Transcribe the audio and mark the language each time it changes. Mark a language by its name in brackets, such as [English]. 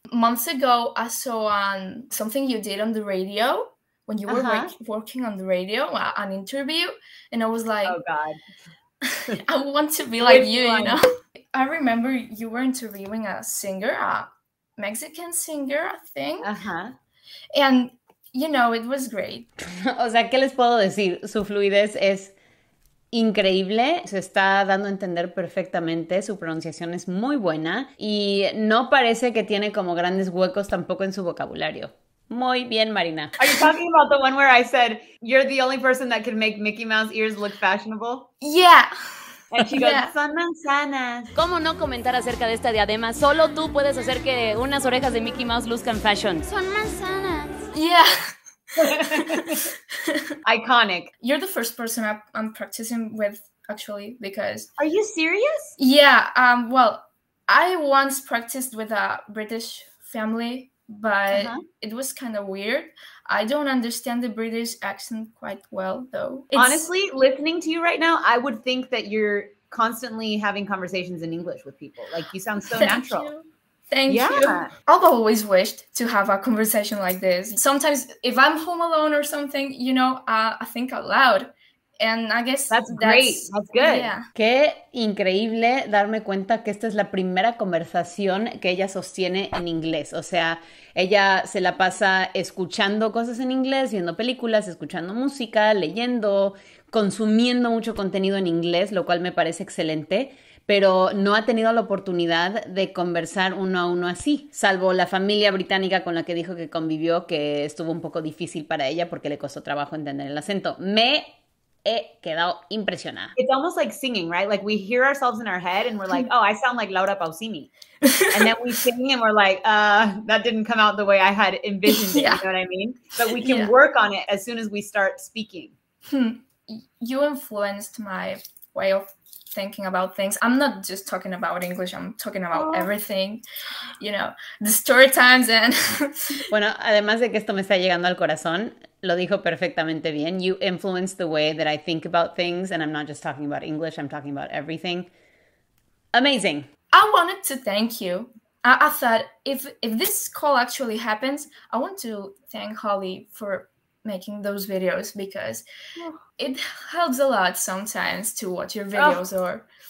[English] Months ago, I saw something you did on the radio when you were working on the radio, an interview. And I was like, oh God. I want to be like you, you know? I remember you were interviewing a singer, a Mexican singer, I think. And, you know, it was great. [Spanish] O sea, ¿qué les puedo decir? Su fluidez es increíble, se está dando a entender perfectamente, su pronunciación es muy buena y no parece que tiene como grandes huecos tampoco en su vocabulario. Muy bien, Marina. [English] Are you talking about the one where I said you're the only person that can make Mickey Mouse ears look fashionable? Yeah. And she goes, yeah. [Spanish] Son manzanas. ¿Cómo no comentar acerca de esta diadema? Solo tú puedes hacer que unas orejas de Mickey Mouse luzcan fashion. Son manzanas. [English] Yeah. Iconic. You're the first person I'm practicing with, actually, because... Are you serious? Yeah. Well, I once practiced with a British family, but it was kind of weird. I don't understand the British accent quite well, though. Honestly, listening to you right now, I would think that you're constantly having conversations in English with people. Like, you sound so natural. Thank you. I've always wished to have a conversation like this. Sometimes if I'm home alone or something, you know, I think out loud. And I guess that's great. That's good. Yeah. [Spanish] Qué increíble darme cuenta que esta es la primera conversación que ella sostiene en inglés. O sea, ella se la pasa escuchando cosas en inglés, viendo películas, escuchando música, leyendo, consumiendo mucho contenido en inglés, lo cual me parece excelente. Pero no ha tenido la oportunidad de conversar uno a uno así, salvo la familia británica con la que dijo que convivió, que estuvo un poco difícil para ella porque le costó trabajo entender el acento. Me he quedado impresionada. [English] It's almost like singing, right? Like we hear ourselves in our head and we're like, oh, I sound like Laura Pausini. And then we sing and we're like, that didn't come out the way I had envisioned it, you know what I mean? But we can work on it as soon as we start speaking. You influenced my way of thinking about things. I'm not just talking about English, I'm talking about everything, you know, the story times and... [Spanish] Bueno, además de que esto me está llegando al corazón, lo dijo perfectamente bien. [English] You influence the way that I think about things and I'm not just talking about English, I'm talking about everything. Amazing. I wanted to thank you. I thought if this call actually happens, I want to thank Holly for making those videos because it helps a lot sometimes to watch your videos or